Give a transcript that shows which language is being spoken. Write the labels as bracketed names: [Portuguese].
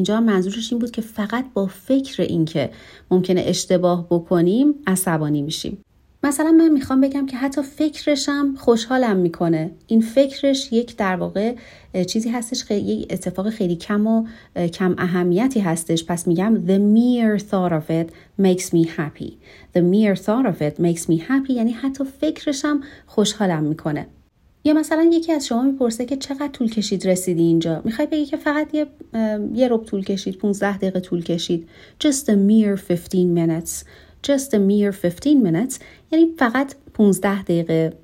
[Persian] اینجا منظورش این بود که فقط با فکر این که ممکنه اشتباه بکنیم عصبانی میشیم. مثلا من میخوام بگم که حتی فکرشم خوشحالم میکنه. این فکرش یک در واقع چیزی هستش، یک اتفاق خیلی کم و کم اهمیتی هستش. پس میگم [English] the mere thought of it makes me happy. The mere thought of it makes me happy [Persian] یعنی حتی فکرشم خوشحالم میکنه. یا مثلا یکی از شما میپرسه که چقدر طول کشید رسیدی اینجا؟ میخوای بگی که فقط یه ربع طول کشید، 15 دقیقه طول کشید. [English] Just a mere 15 minutes. Just a mere 15 minutes [Persian] یعنی فقط 15 دقیقه.